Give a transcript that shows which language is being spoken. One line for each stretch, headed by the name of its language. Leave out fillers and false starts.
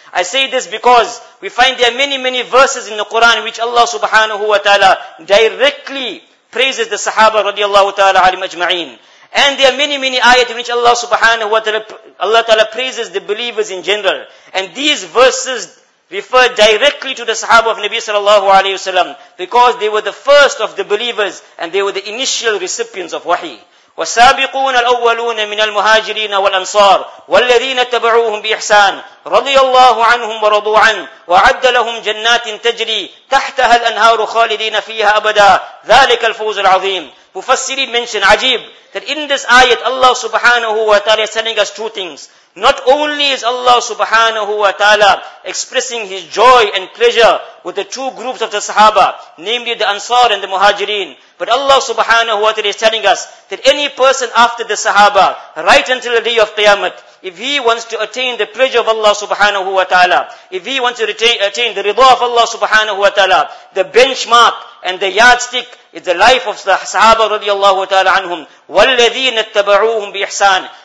English: I say this because we find there are many, many verses in the Quran which Allah subhanahu wa ta'ala directly praises the Sahaba radiallahu ta'ala alim ajma'in. And there are many, many ayat in which Allah subhanahu wa ta'ala, Allah ta'ala praises the believers in general. And these verses refer directly to the Sahaba of Nabi sallallahu alayhi wa sallam because they were the first of the believers and they were the initial recipients of wahi.
Arabic: والسابقون الأولون من المهاجرين والأنصار والذين تبعوهم بإحسان رضي الله عنهم ورضوا عنه وعد لهم جنات تجري تحتها الأنهار خالدين فيها أبدا ذلك الفوز العظيم.
English: مفسرين mention عجيب that in this ayat Allah subhanahu wa ta'ala is telling us two things. Not only is Allah subhanahu wa ta'ala expressing his joy and pleasure with the two groups of the sahaba, namely the Ansar and the Muhajirin, but Allah subhanahu wa ta'ala is telling us that any person after the sahaba, right until the day of Qiyamah, if he wants to attain the pleasure of Allah subhanahu wa ta'ala, if he wants to attain the rida of Allah subhanahu wa ta'ala, the benchmark and the yardstick is the life of the sahaba radiallahu ta'ala anhum.
Arabic: وَالَّذِينَ اتَّبَعُوهُمْ بِإِحْسَانِ.